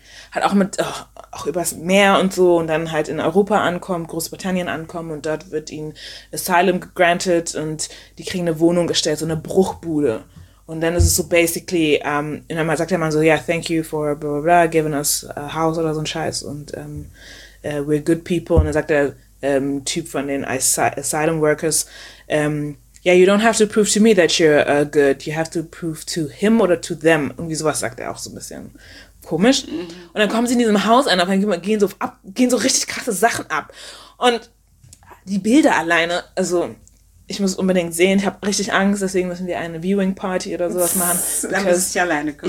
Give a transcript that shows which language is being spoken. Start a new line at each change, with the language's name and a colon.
German: Hat auch auch übers Meer und so und dann halt in Europa ankommen, Großbritannien ankommen und dort wird ihnen
English: Asylum granted
German: und die kriegen eine Wohnung gestellt, so eine Bruchbude. Und dann ist es so basically, und dann sagt der Mann so,
English: yeah, thank you for blah, blah, blah, giving us a house
German: oder so ein Scheiß und
English: we're good people.
German: Und dann sagt der Typ von den Asylum Workers,
English: yeah, you don't have to prove to me that you're good, you have to prove to him oder to them.
German: Irgendwie sowas sagt er auch so ein bisschen. Komisch. Und dann kommen sie in diesem Haus an, auf einmal gehen so richtig krasse Sachen ab. Und die Bilder alleine, also ich muss unbedingt sehen, ich habe richtig Angst, deswegen müssen wir eine Viewing Party oder sowas machen. Dann muss ich alleine gucken.